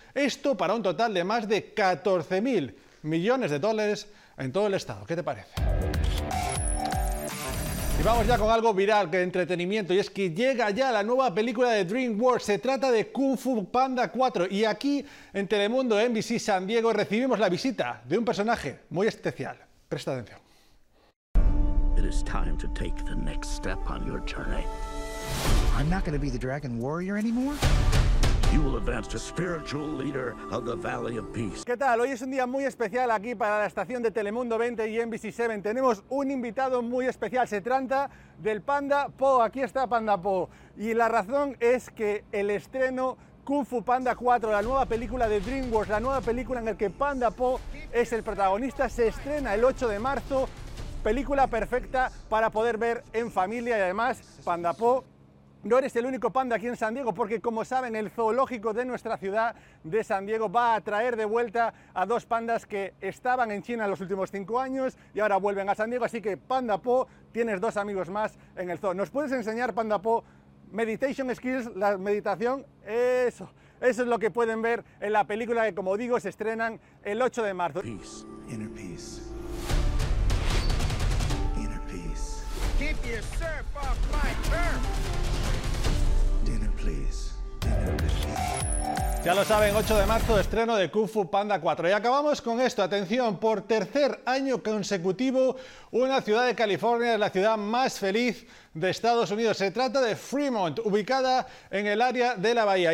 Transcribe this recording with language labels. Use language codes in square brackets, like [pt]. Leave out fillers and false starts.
[es] Esto para un total de más de 14.000 millones de dólares en todo el estado. ¿Qué te parece? Y vamos ya con algo viral, que entretenimiento, y es que llega ya la nueva película de DreamWorks. Se trata de Kung Fu Panda 4, y aquí en Telemundo NBC San Diego recibimos la visita de un personaje muy especial. Presta atención. [en] It is time to take the next step on your journey. I'm not going to be the dragon warrior anymore. You will advance to spiritual leader of the Valley of Peace. [es] ¿Qué tal? Hoy es un día muy especial aquí para la estación de Telemundo 20 y NBC 7. Tenemos un invitado muy especial. Se trata del Panda Po. Aquí está Panda Po. Y la razón es que el estreno Kung Fu Panda 4, la nueva película de DreamWorks, la nueva película en la que Panda Po es el protagonista, se estrena el 8 de marzo. Película perfecta para poder ver en familia. Y además, Panda Po, no eres el único panda aquí en San Diego, porque como saben, el zoológico de nuestra ciudad de San Diego va a traer de vuelta a dos pandas que estaban en China los últimos 5 años y ahora vuelven a San Diego. Así que, Panda Po, tienes dos amigos más en el zoo. ¿Nos puedes enseñar, Panda Po, [en] meditation skills, [es] la meditación? Eso, eso es lo que pueden ver en la película que, como digo, se estrenan el 8 de marzo. [en] Peace, inner peace. Inner peace. Keep yourself off my turf. [es] Ya lo saben, 8 de marzo, estreno de Kung Fu Panda 4. Y acabamos con esto. Atención, por tercer año consecutivo, una ciudad de California es la ciudad más feliz de Estados Unidos. Se trata de Fremont, ubicada en el área de la bahía.